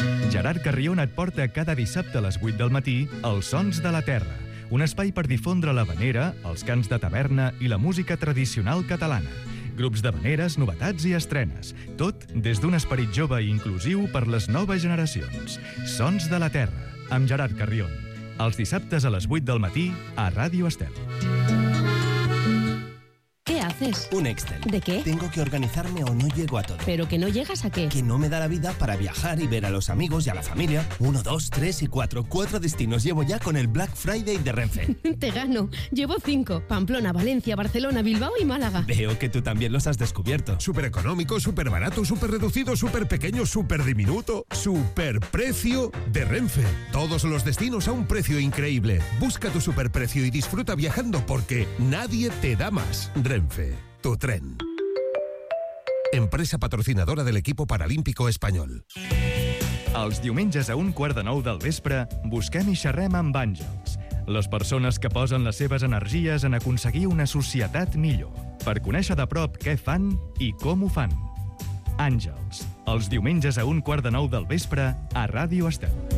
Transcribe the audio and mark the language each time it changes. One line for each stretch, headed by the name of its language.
Catalan: Gerard Carrión et porta cada dissabte a les 8 del matí als Sons de la Terra, un espai per difondre l'havanera, els cants de taverna i la música tradicional catalana. Grups d'havaneres, novetats i estrenes. Tot des d'un esperit jove i inclusiu per les noves generacions. Sons de la Terra, amb Gerard Carrión. Els dissabtes a les 8 del matí a Ràdio Estel.
Spanish: ¿Qué haces? Un Excel. ¿De qué? Tengo que organizarme o no llego a todo. ¿Pero que no llegas a qué? Que no me da la vida para viajar y ver a los amigos y a la familia. Uno, dos, tres y cuatro. Cuatro destinos llevo ya con el Black Friday de Renfe. Te gano. Llevo cinco. Pamplona, Valencia, Barcelona, Bilbao y Málaga. Veo que tú también los has descubierto. Súper económico, súper barato, súper reducido, súper pequeño, súper diminuto. Súper precio de Renfe. Todos los destinos a un precio increíble. Busca tu súper precio y disfruta viajando porque nadie te da más. Renfe, tu tren. Empresa patrocinadora del equipo paralímpico español.
Catalan: Els diumenges a un quart de nou del vespre, busquem i xerrem amb Àngels, les persones que posen les seves energies en aconseguir una societat millor, per conèixer de prop què fan i com ho fan. Àngels, els diumenges a un quart de nou del vespre, a Ràdio Estel.